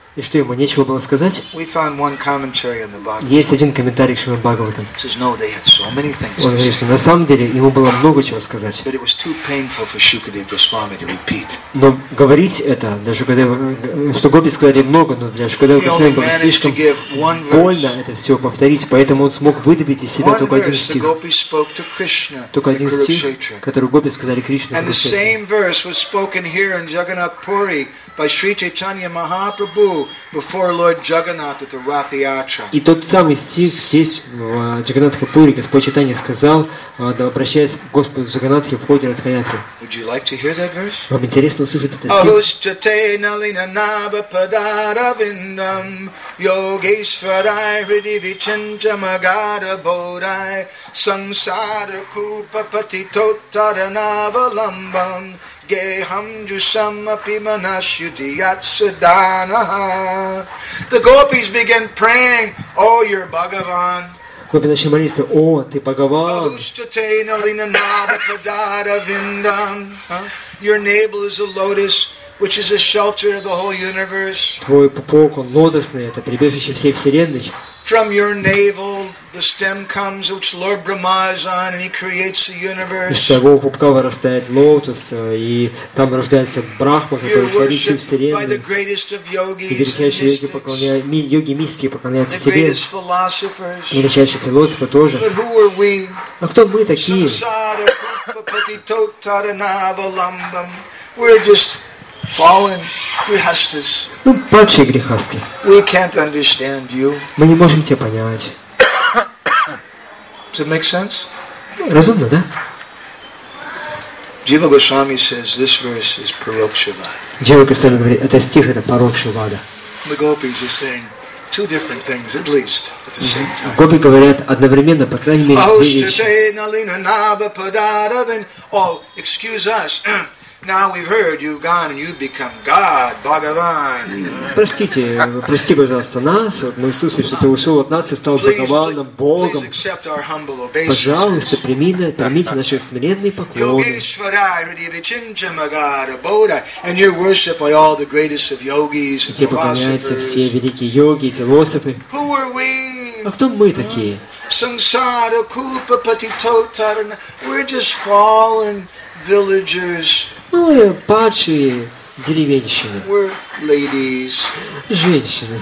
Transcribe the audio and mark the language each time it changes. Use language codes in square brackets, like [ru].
[ru] И что ему нечего было сказать? [en] We found one commentary on the Bhagavad. [ru] Есть один комментарий к Шримад Бхагаватам. [en] Says no, they had so many things. [ru] Он говорит, что на самом деле ему было много чего сказать. [en] But it was too painful for Shukadeva Goswami to repeat. [ru] Но говорить это для Шукадева, что гопи сказали много, но для Шукадева Госвами было слишком больно это все повторить, поэтому он смог выдавить из себя только один стих. [en] The gopis spoke to Krishna. [ru] Только один стих, который гопи сказали Кришне. [en] And the same verse was spoken here in Jagannath Puri by Sri Chaitanya Mahaprabhu. Before Lord Jagannath at the Rath Yatra. [ru] И тот самый стих здесь в Джаганатхапури Господь Читания сказал, да обращаясь к Господу Джаганатхе в ходе Ратха Ятры. [en] Would you like to hear that verse? [ru] Вам интересно услышать этот стих? [sa] Ahushtate nalina naba padaravindam yogeshvarai hridivichinjamagada bodhai samsara kupa patitottara navalambam Geham jusam apimanash yudhiyat sadanaha. [en] The gopis began praying, oh, your Bhagavan. [ru] Gopi начали молиться, о, ты Бхагаван. [sa] Ahushtate nalina naba padaravindam. [en] Your navel is a lotus, which is a shelter of the whole universe. [ru] Твой пупок, он лотосный, это прибежище всей вселенной. [en] From your navel, the stem comes, which Lord Brahma is on, and he creates the universe. [ru] Из твоего пупка вырастает лотос, и там рождается Брахма, который творит всю вселенную. [en] By the greatest of yogis, [ru] и величайшие йоги поклоняются, йоги мистики поклоняются тебе. [en] The greatest philosophers, [ru] величайшие философы тоже. [en] But who are we? [ru] А кто мы такие? [sa] Samsara kupa patitottara navalambam. [en] We're just fallen grihasthas. [ru] Ну, падшие грехастки. [en] We can't understand you. [ru] Мы не можем тебя понять. [en] Does it make sense? [ru] Разумно, да? [en] Jiva Goswami says this verse is Paroksha Vada. [ru] Jiva Goswami говорит, это стих, это Paroksha Vada. [en] The gopis are saying two different things at least at the same time. [ru] Гопи говорят одновременно, по крайней мере, две вещи. [sa] Ahushtate nalina naba padaravin. [en] Oh, excuse us. Now we've heard you've gone and you've become God, Bhagavan. [ru] Простите, прости, пожалуйста, нас. Мы услышали, что ты ушел от нас и стал Бхагаваном, Богом. [en] Please accept our humble obeisances. [ru] Пожалуйста, примите наши смиренные поклоны. [sa] Yogeshwarai hridivichincha magada bodhai. [en] And you're worshipped by all the greatest of yogis and philosophers. [ru] Тебе поклоняются все великие йоги и философы. [en] Who are we? [ru] А кто мы такие? [sa] Samsara kupa patitottarana. [en] We're just fallen villagers. [ru] Мы падшие деревенщины. [en] We're ladies. [ru] Женщины.